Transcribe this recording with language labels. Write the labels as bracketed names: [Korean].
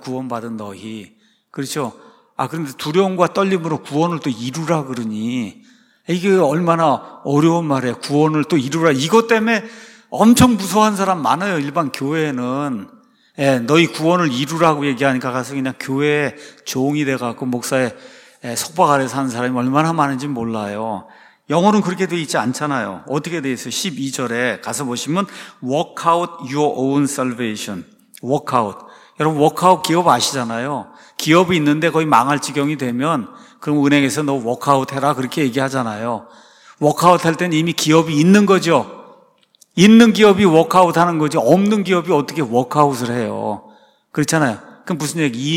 [Korean] 구원 받은 너희 그렇죠? 아 그런데 두려움과 떨림으로 구원을 또 이루라 그러니 이게 얼마나 어려운 말이에요. 구원을 또 이루라. 이것 때문에 엄청 무서워한 사람 많아요. 일반 교회에는. 예, 너희 구원을 이루라고 얘기하니까 가서 그냥 교회에 종이 돼갖고 목사의 속박 아래 사는 사람이 얼마나 많은지 몰라요. 영어는 그렇게 돼 있지 않잖아요. 어떻게 돼 있어요? 12절에 가서 보시면 [English] Work out your own salvation. Work out. [Korean] 여러분 Work out 기업 아시잖아요. 기업이 있는데 거의 망할 지경이 되면 그럼 은행에서 너 워크아웃 해라 그렇게 얘기하잖아요. 워크아웃 할 때는 이미 기업이 있는 거죠. 있는 기업이 워크아웃 하는 거죠. 없는 기업이 어떻게 워크아웃을 해요. 그렇잖아요. 그럼 무슨 얘기?